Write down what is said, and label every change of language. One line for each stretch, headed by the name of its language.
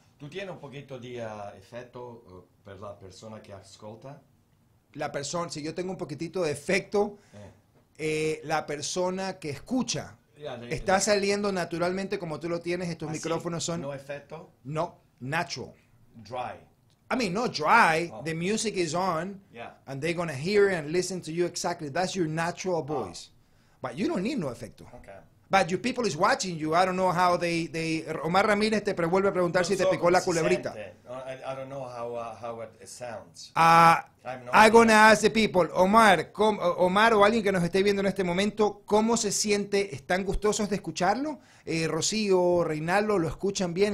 Spanish: ¿Tú tienes un poquito de efecto para la persona que escucha? La persona, si yo tengo un poquitito de efecto, la persona que escucha. Está saliendo naturalmente como tú lo tienes, estos micrófonos son... ¿No efecto? No, natural.
English: Dry. I mean, not dry, the music is on, yeah. And they're going to hear and listen to you exactly. That's your natural voice. Oh. But you don't need no efecto. Okay. But your people is watching you. I don't know how they...
Spanish: Omar Ramírez te vuelve a preguntar si te picó la culebrita.
English: I don't know how it sounds. I'm going to ask the people,
Spanish: Omar o alguien que nos esté viendo en este momento, ¿cómo se siente? ¿Están gustosos de escucharlo? Rocío, Reinaldo, ¿lo escuchan bien?